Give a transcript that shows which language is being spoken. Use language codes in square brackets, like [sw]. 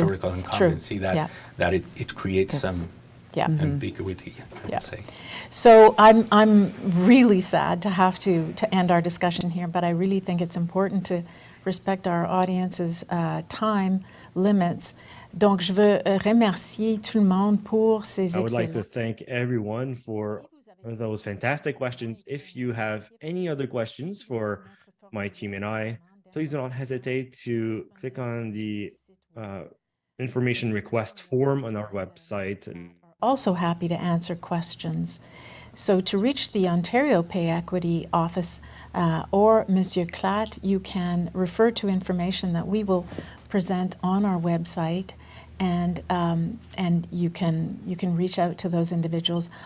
[en] historical incumbency true. That yeah. that it creates That's, some ambiguity, I would say. So I'm really sad to have to end our discussion here, but I really think it's important to respect our audience's time limits. [fr] Donc, je veux remercier tout le monde pour ces excellents... [en] I would like to thank everyone for those fantastic questions. If you have any other questions for my team and I, please do not hesitate to click on the information request form on our website. Also happy to answer questions. So to reach the Ontario Pay Equity Office or Monsieur Clatt, you can refer to information that we will present on our website, and you can reach out to those individuals.